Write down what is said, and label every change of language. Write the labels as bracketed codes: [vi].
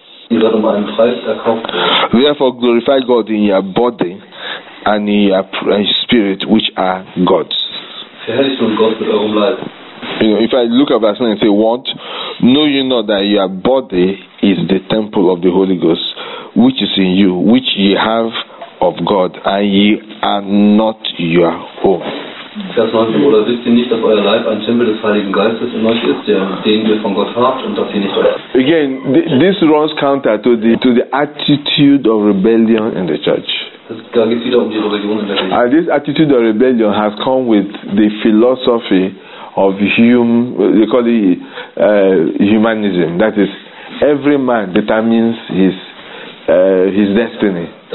[en] Therefore, glorify God in your body and in your spirit, which are God's. You know, if I look at verse 9 and say, what? Know you not that your body is the temple of the Holy Ghost, which is in you, which ye have of God, and ye are not your own. [de] Vers 19, oder wisst ihr nicht, dass euer Leib ein Tempel des Heiligen Geistes in euch ist, den ihr von Gott habt und dass ihr nicht euer? [en] Again, this runs counter to the attitude of rebellion in the church. And this attitude of rebellion has come with the philosophy of humanism. That is, every man determines his destiny.